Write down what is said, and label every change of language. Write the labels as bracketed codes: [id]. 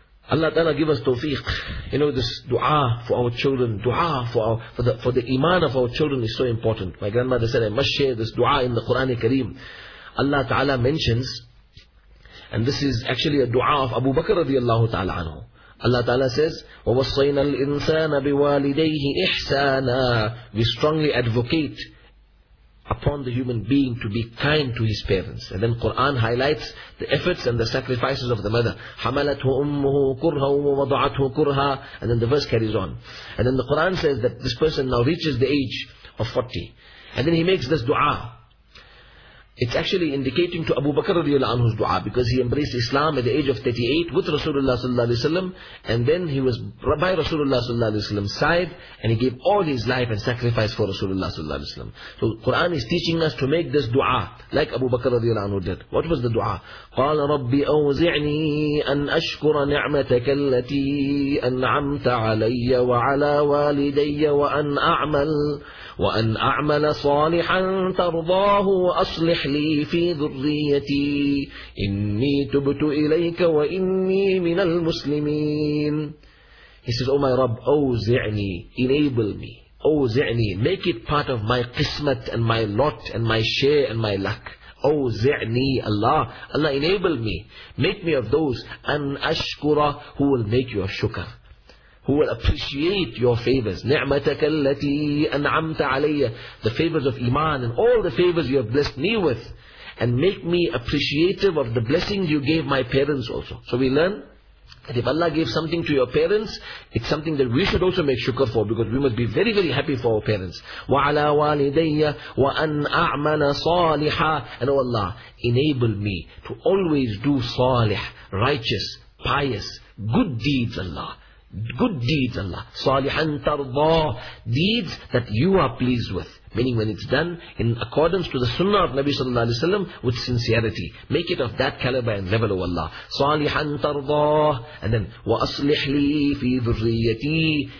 [en] Allah Ta'ala give us tawfiq. You know, this dua for our children, dua for the iman of our children is so important. My grandmother said, I must share this dua in the Quran Kareem. Allah Ta'ala mentions, and this is actually a dua of Abu Bakr radiallahu ta'ala anhu. Allah Ta'ala says, [ar] وَوَصَّيْنَا الْإِنسَانَ بِوَالِدَيْهِ إِحْسَانًا. [en] We strongly advocate upon the human being to be kind to his parents. And then Quran highlights the efforts and the sacrifices of the mother. [ar] حَمَلَتْهُ أُمُّهُ كُرْهًا وَوَضَعَتْهُ كُرْهًا. [en] And then the verse carries on. And then the Quran says that this person now reaches the age of 40. And then he makes this dua. It's actually indicating to Abu Bakr radiallahu anhu's dua, because he embraced Islam at the age of 38 with Rasulullah sallallahu alaihi wasallam, and then he was by Rasulullah sallallahu alaihi wasallam's side, and he gave all his life and sacrifice for Rasulullah sallallahu alaihi wasallam. So Quran is teaching us to make this dua like Abu Bakr radiallahu anhu did. What was the dua? [ar] قال ربي أوزعني أن أشكر نعمتك التي أنعمت علي وعلى والدي وأن أعمل وأن أعمل صالحا ترضاه وأصلح لي في ذريتي إني تبت إليك وإني من المسلمين. [en] He says, oh my Rabb, أوزعني, enable me, أوزعني, make it part of my قسمت and my lot and my share and my luck. أوزعني, Allah, Allah, enable me, make me of those [ar] أن أشكر, [en] who will make your shukr, who will appreciate your favors. [ar] نعمتك التي أنعمت علي, [en] the favors of Iman and all the favors you have blessed me with. And make me appreciative of the blessings you gave my parents also. So we learn that if Allah gave something to your parents, it's something that we should also make shukr for, because we must be very, very happy for our parents. [ar] وَعَلَى وَالِدَيَّ وَأَنْ أَعْمَنَ صَالِحًا. [en] And O Allah, enable me to always do salih, righteous, pious, good deeds, Allah. Good deeds, Allah. [ar] صَالِحًا تَرْضَى. [en] Deeds that you are pleased with. Meaning when it's done in accordance to the sunnah of Nabi sallallahu alayhi wa sallam with sincerity. Make it of that caliber and level, O Allah. [ar] صَالِحًا تَرْضَى. [en] And then, [ar] وَأَصْلِحْ لِي فِي ذُرِّيَّتِي.